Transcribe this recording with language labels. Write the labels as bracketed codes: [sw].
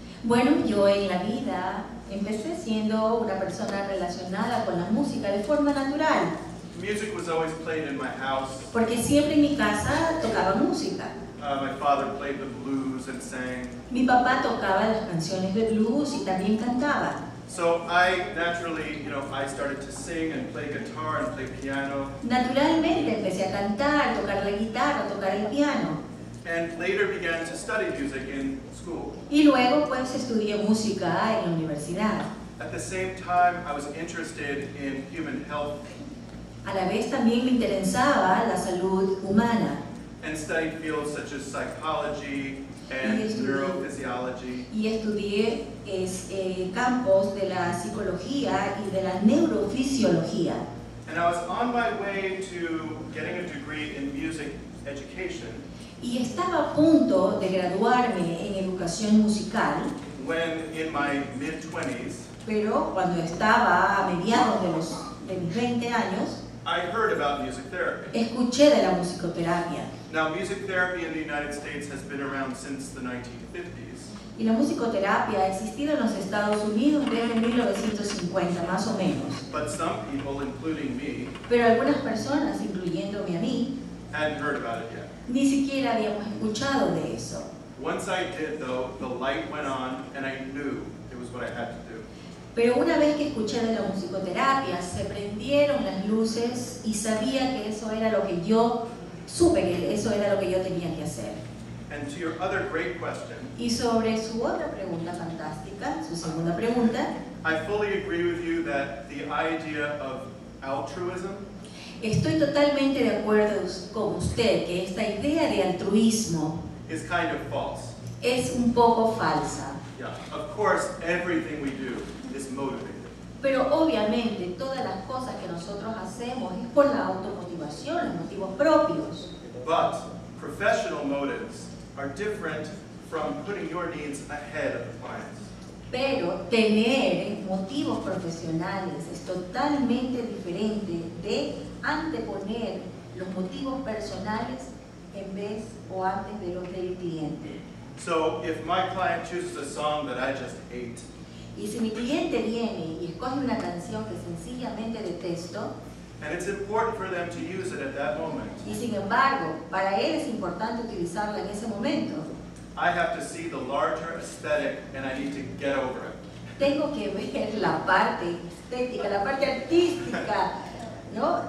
[es] Bueno, yo en la vida empecé siendo una persona relacionada con la música de forma natural. [en] Music was always played in my house. [es] Porque siempre en mi casa tocaba música. [en] My father played the blues and sang. [es] Mi papá tocaba las canciones de blues y también cantaba. [en] So I naturally, you know, I started to sing and play guitar and play piano. [es] Naturalmente empecé a cantar, tocar la guitarra, tocar el piano. [en] And later began to study music in school. [es] Y luego pues estudié música en la universidad. [en] At the same time, I was interested in human health. [es] A la vez también me interesaba la salud humana. [en] And studied fields such as psychology and neurophysiology. [es] Y estudié campos de la psicología y de la neurofisiología. [en] And I was on my way to getting a degree in music education. [es] Y estaba a punto de graduarme en educación musical. [en] When in my mid-20s. [es] Pero cuando estaba a mediados de mis 20 años. [en] I heard about music therapy. [es] Escuché de la musicoterapia. [en] Now, music therapy in the United States has been around since the 1950s. [es] Y la musicoterapia ha existido en los Estados Unidos desde 1950, más o menos. [en] But some people, including me, [es] pero algunas personas, incluyéndome a mí, [en] hadn't heard about it yet. [es] Ni siquiera habíamos escuchado de eso. [en] Once I did, though, the light went on and I knew it was what I had to do. [es] Pero una vez que escuché de la musicoterapia, se prendieron las luces y sabía que eso era lo que yo supe que eso era lo que yo tenía que hacer. [en] And to your other great question, [es] y sobre su otra pregunta fantástica, su segunda pregunta, [en] I fully agree with you that the idea of altruism, [es] estoy totalmente de acuerdo con usted que esta idea de altruismo [en] is kind of false. [es] Es un poco falsa. [en] Yeah. Of course, everything we do is motivated. [es] Pero obviamente todas las cosas que nosotros hacemos es por la automotivación, los motivos propios. [en] But professional motives are different from putting your needs ahead of the clients. [es] Pero tener motivos profesionales es totalmente diferente de anteponer los motivos personales en vez o antes de los del cliente. [en] So if my client chooses a song that I just hate, [es] y si mi cliente viene y escoge una canción que sencillamente detesto, [en] and it's important for them to use it at that moment, [es] y sin embargo, para él es importante utilizarla en ese momento, [en] I have to see the larger aesthetic and I need to get over it. [es] Tengo que ver la parte estética, la parte artística, ¿no?